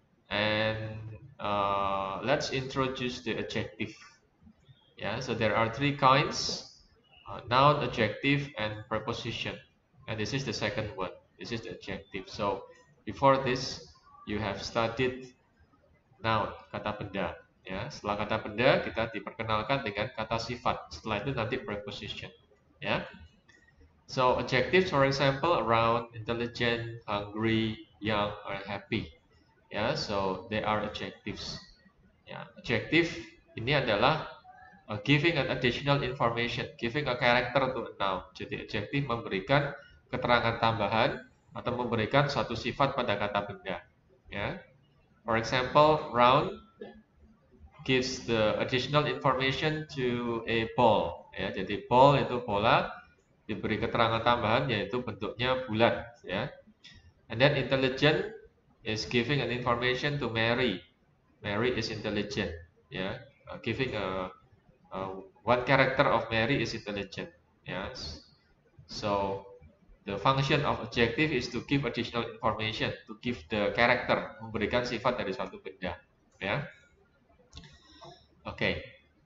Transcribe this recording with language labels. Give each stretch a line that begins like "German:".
English: And let's introduce the adjective. Yeah, so there are three kinds, noun, adjective, and preposition. And this is the second one. This is the adjective. So before this, you have studied noun,
Indonesian: kata benda. Yeah, setelah kata benda, kita diperkenalkan dengan kata sifat. Setelah itu nanti
English: preposition. Yeah. So adjectives, for example, around, intelligent, hungry, young, or happy. Yeah, so they are adjectives. Yeah, adjective
Indonesian: ini adalah
English: giving an additional information, giving a character to a noun.
Indonesian: Jadi adjective memberikan keterangan tambahan atau memberikan suatu sifat pada kata benda. Yeah.
English: For example, round gives the additional information to a ball.
Indonesian: Yeah, jadi ball itu bola. Diberi keterangan tambahan yaitu bentuknya bulat, ya. Yeah.
English: And then intelligent is giving an information to Mary. Mary is intelligent, ya. Yeah. Giving a one character of Mary is intelligent, yes. So The function of adjective is to give additional information, to give the character,
Indonesian: memberikan sifat dari suatu benda.
English: Yeah. Okay.